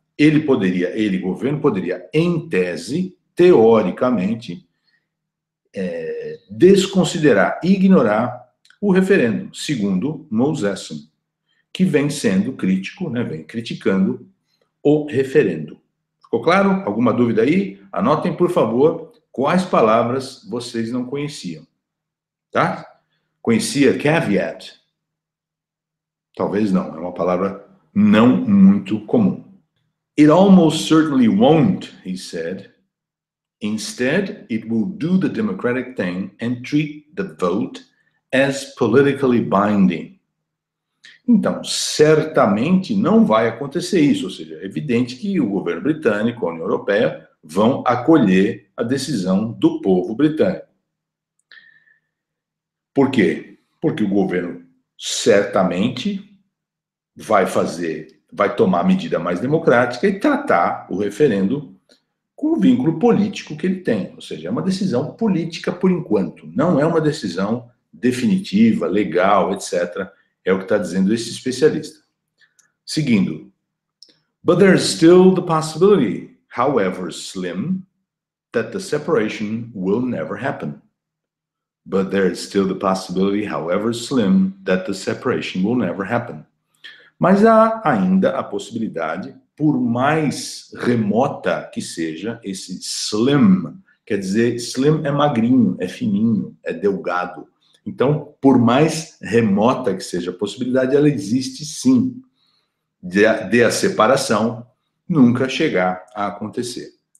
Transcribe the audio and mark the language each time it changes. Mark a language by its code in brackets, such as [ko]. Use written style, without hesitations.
[pt] Ele, governo, poderia, em tese, teoricamente, desconsiderar, ignorar o referendo, segundo Mosesson, que vem sendo crítico, né, vem criticando o referendo. Ficou claro? Alguma dúvida aí? Anotem, por favor, quais palavras vocês não conheciam. Tá? Conhecia caveat? Talvez não, é uma palavra não muito comum. [en] It almost certainly won't, he said. Instead, it will do the democratic thing and treat the vote as politically binding. [pt] Então, certamente não vai acontecer isso, ou seja, é evidente que o governo britânico, a União Europeia, vão acolher a decisão do povo britânico. Por quê? Porque o governo certamente vai tomar a medida mais democrática e tratar o referendo com o vínculo político que ele tem, ou seja, é uma decisão política por enquanto, não é uma decisão definitiva, legal, etc. É o que está dizendo esse especialista. Seguindo. [en] But there is still the possibility, however slim, that the separation will never happen. But there is still the possibility, however slim, that the separation will never happen. [pt] Mas há ainda a possibilidade, por mais remota que seja, esse slim, quer dizer, slim é magrinho, é fininho, é delgado. Então, por mais remota que seja a possibilidade, ela existe sim, de a separação nunca chegar a acontecer.